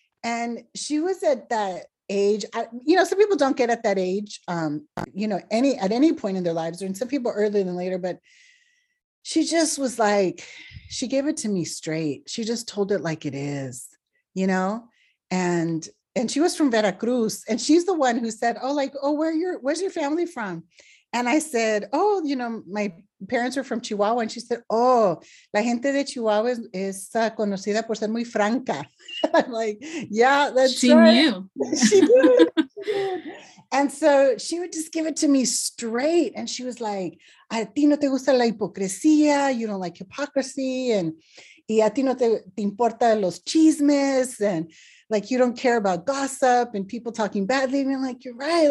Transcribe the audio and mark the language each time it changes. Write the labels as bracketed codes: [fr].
[en] And she was at that age, some people don't get at that age, at any point in their lives, or in some people earlier than later, but she just was like, she gave it to me straight. She just told it like it is, you know? And she was from Veracruz, and she's the one who said, where's your family from? And I said, my parents are from Chihuahua. [es] And she said, la gente de Chihuahua es conocida por ser muy franca. [en] I'm like, yeah, that's she right. Knew. She did. And so she would just give it to me straight. And she was like, [es] a ti no te gusta la hipocresía. [en] You don't like hypocrisy. [es] Y a ti no te importa los chismes. [en] And like, you don't care about gossip and people talking badly. And I'm like, you're right.